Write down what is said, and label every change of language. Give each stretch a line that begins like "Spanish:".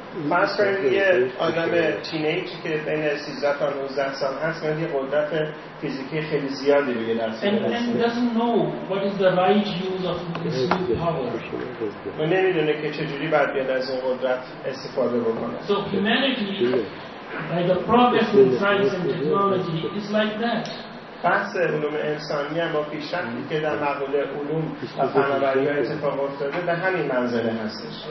Persian: مثلا یه آدم تینیج که بین 13 تا 19 سال هست میاد یه قدرت فیزیکی خیلی زیادی رو یه دست میده.
English: And doesn't know what is the right use of this power.
Persian: و نمیدونه که چجوری باید بیاد از این قدرت استفاده بکنه.
English: So humanity, by the progress in science and technology, is like that.
Persian: بحث علوم انسانی هم با پیشرفتی که در مقوله علوم و فناوری ها اتفاق افتاده به همین منزله هستش.